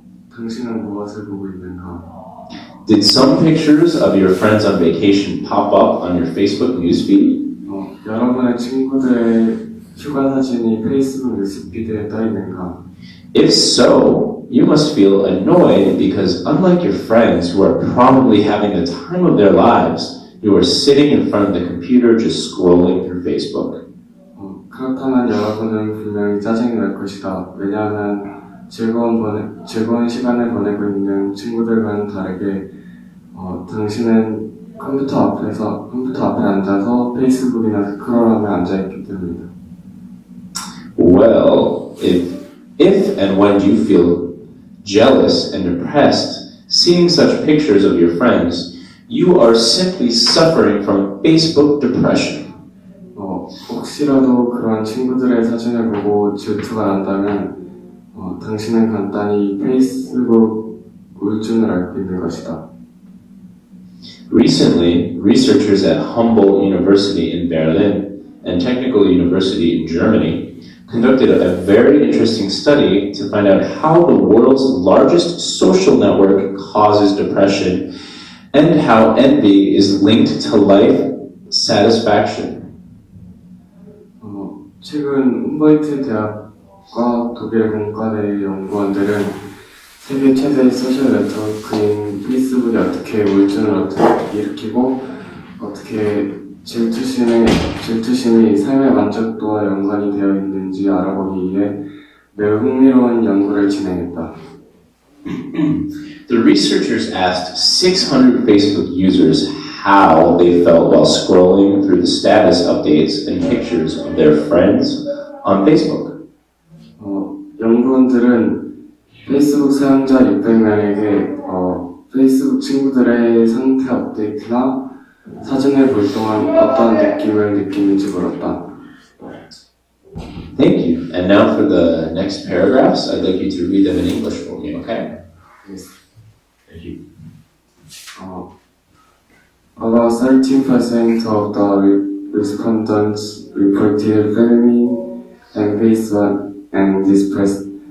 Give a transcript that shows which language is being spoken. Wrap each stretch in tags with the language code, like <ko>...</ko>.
<ko>당신은 무엇을 보고 있는가?</ko> <en>Did some pictures of your friends on vacation pop up on your Facebook newsfeed?</en> <ko>여러분의 친구들의 휴가 사진이 페이스북 뉴스피드에 떠 있는가?</ko> <en>If so, you must feel annoyed because unlike your friends who are probably having the time of their lives, you are sitting in front of the computer just scrolling through Facebook.</en> <ko>그렇다면 여러분은 분명히 짜증이 날 것이다. 왜냐하면 즐거운 시간을 보내고 있는 친구들과는 다르게 당신은 컴퓨터 앞에 앉아서 페이스북이나 스크롤하며 앉아 있기 때문이다.</ko> <en>Well, if and when you feel jealous and depressed seeing such pictures of your friends, you are simply suffering from Facebook depression.</en> <ko>혹시라도 그런 친구들의 사진을 보고 질투가 난다면 당신은 간단히 페이스북 우울증을 앓고 있는 것이다.</ko> <en>Recently, researchers at Humboldt University in Berlin and Technical University in Germany conducted a very interesting study to find out how the world's largest social network causes depression and how envy is linked to life satisfaction.</en> <ko>최근 훔볼트 대학과 독일 공과대 연구원들은 세계 최대의 소셜 네트워크인 페이스북이 어떻게 우울증을 일으키고 어떻게 질투심이 삶의 만족도와 연관이 되어 있는지 알아보기 위해 매우 흥미로운 연구를 진행했다.</ko> <en>The researchers asked 600 Facebook users how they felt while scrolling through the status updates and pictures of their friends on Facebook.</en> <ko>연구원들은 페이스북 사용자 600명에게 페이스북 친구들의 상태 업데이트나 사진을 볼 동안 어떤 느낌을 느끼는지 물었다.</ko> <en>Thank you. And now for the next paragraphs, I'd like you to read them in English for me, okay? Yes. Thank you. About 13% of the respondents reported feeling anxious and depressed.</en>